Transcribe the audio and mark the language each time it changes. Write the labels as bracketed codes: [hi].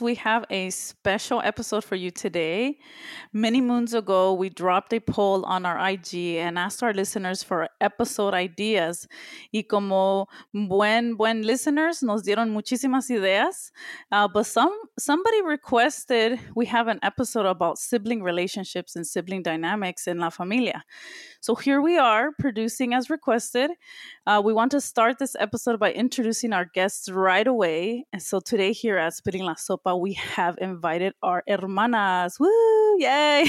[en] We have a special episode for you today. Many moons ago, we dropped a poll on our IG and asked our listeners for episode ideas. [es] Y como buen listeners, nos dieron muchísimas ideas. [en] But somebody requested we have an episode about sibling relationships and sibling dynamics in la familia. So here we are, producing as requested. We want to start this episode by introducing our guests right away. And so today here at Spilling La Sopa, we have invited our hermanas. Woo! Yay!